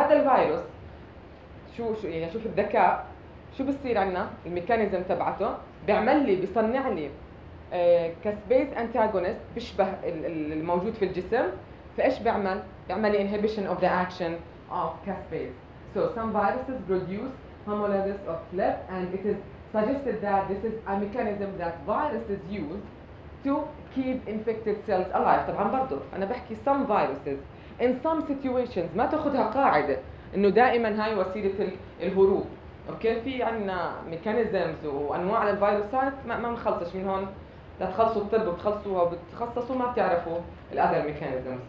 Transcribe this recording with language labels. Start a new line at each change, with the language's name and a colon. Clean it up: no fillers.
Arabic: فهذا الفيروس شو يعني شوف الذكاء شو بصير عنا الميكانيزم تبعته بيعمل لي بيصنع لي كاسبيز انتاغونيست بيشبه الموجود في الجسم فايش بيعمل؟ بيعمل لي
English: Inhibition of the action of caspases. So some viruses produce homologous of FLIP and it is suggested that this is a mechanism that viruses use to keep infected cells alive.
Arabic: طبعا برضو انا بحكي
English: some viruses in some situations
Arabic: ما تاخدها قاعدة انه دائما هاي وسيلة الهروب. اوكي في عنا mechanisms وانواع الفيروسات ما نخلصش من هون لا تخلصوا الطب وبتخلصوا وبتخصصوا ما بتعرفوا
English: الاذر ميكانيزمز.